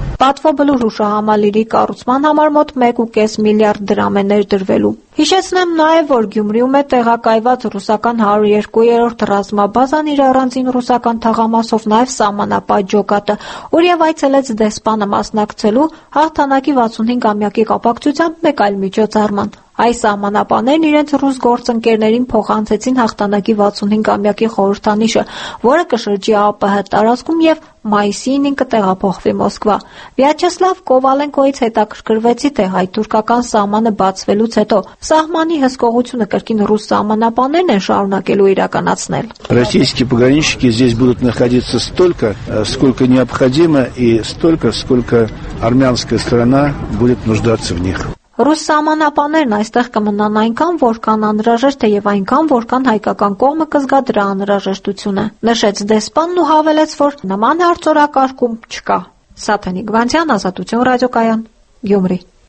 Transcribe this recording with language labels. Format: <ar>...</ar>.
<hy>Պատվո բլուր ուշահամալիրի կառուցման համար մոտ 1.5 միլիարդ դրամ է ներդրվելու։ Հիշեցնեմ նաև, որ Գյումրիում է տեղակայված ռուսական 102-րդ ռազմաբազան իր առանձին ռուսական թաղամասով նաև սահմանապատջոկատը, ուր և այցելեց դեսպանը մասնակցելու հաղթանակի 65-ամյակի կապակցությամբ մեկ այլ միջոցառման։ Այս սահմանապաներն իրենց ռուս գործընկերներին փոխանցեցին հաղթանակի 65-ամյակի խորհրդանիշը, որը կշրջի ԱՊՀ տարածքում և մայիսին ինքը տեղափոխվի Մոսկվա։ Վյաչեսլավ Կովալենկոյից հետաքրքրվեցի, թե հայ-թուրքական սահմանը բացվելուց հետո սահմանի հսկողությունը կրկին ռուս սահմանապաներն են շարունակելու իրականացնել։</hy> <ru>Ռուսիսկի пограничники здесь будут находиться столько, сколько необходимо и столько, сколько армянская сторона будет нуждаться в них։</ru> <hy>Ռուս սահմանապաներն այստեղ կմնան այնքան, որքան անհրաժեշտ է եւ այնքան, որքան հայկական կողմը կզգա դրա անհրաժեշտությունը, նշեց դեսպանն ու հավելեց, որ նման հարցորակարգում չկա։ Սաթենի Գվանցյան, Ազատություն ռադիոկայան, Գյումրի։</hy>